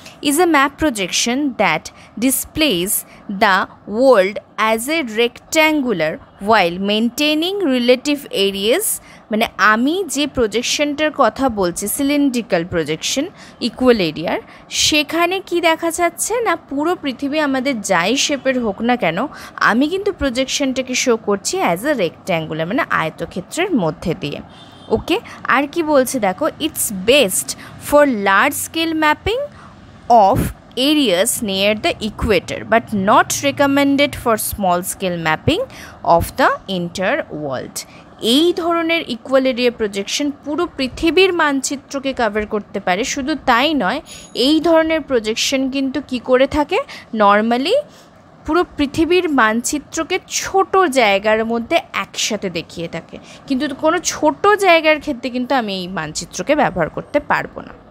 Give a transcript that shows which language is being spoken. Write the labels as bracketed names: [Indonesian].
[English] is a map projection that displace the world as a rectangular while maintaining relative areas, [Bangla] মানে আমি যে প্রজেকশনটার কথা বলছি সিলিন্ড্রিক্যাল প্রজেকশন ইকুয়াল এরিয়ার, সেখানে কি দেখা যাচ্ছে না পুরো পৃথিবী আমাদের যাই শেপের হোক না কেন, আমি কিন্তু প্রজেকশনটাকে শো করছি [English] as a rectangular, [Bangla] মানে আয়তক্ষেত্রের মধ্যে দিয়ে। ওকে, আর কি বলছে দেখো, [English] It's best for large scale mapping of areas near the equator but not recommended for small scale mapping of the inter world. [Bangla] এই ধরনের ইকুয়াল এরিয়া প্রজেকশন পুরো পৃথিবীর মানচিত্রকে কভার করতে পারে, শুধু তাই নয় এই ধরনের প্রজেকশন কিন্তু কী করে থাকে, নর্মালি পুরো পৃথিবীর মানচিত্রকে ছোট জায়গার মধ্যে একসাথে দেখিয়ে থাকে, কিন্তু কোনো ছোট জায়গার ক্ষেত্রে কিন্তু আমি এই মানচিত্রকে ব্যবহার করতে পারবো না।